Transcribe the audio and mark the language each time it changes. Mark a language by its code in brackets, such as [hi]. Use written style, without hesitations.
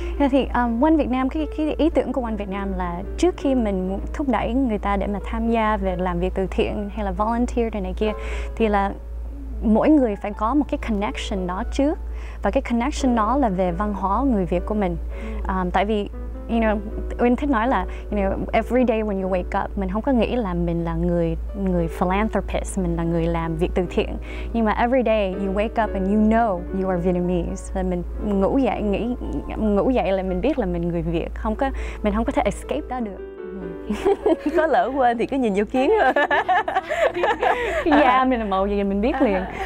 [vi] Thì One Việt Nam, cái ý tưởng của One Việt Nam là trước khi mình thúc đẩy người ta để mà tham gia về làm việc từ thiện hay là volunteer này kia, thì là mỗi người phải có một cái connection đó trước. Và cái connection đó là về văn hóa người Việt của mình. Tại vì, you know, mình thích nói là, you know, [en] every day when you wake up, [vi] mình không có nghĩ là mình là người philanthropist, mình là người làm việc từ thiện. Nhưng mà [en] every day you wake up and you know you are Vietnamese. [vi] Là mình ngủ dậy là mình biết là mình người Việt, mình không có thể escape đó được. Có lỡ quên thì cứ nhìn vô kiến thôi. Yeah, mình là màu gì mình biết liền.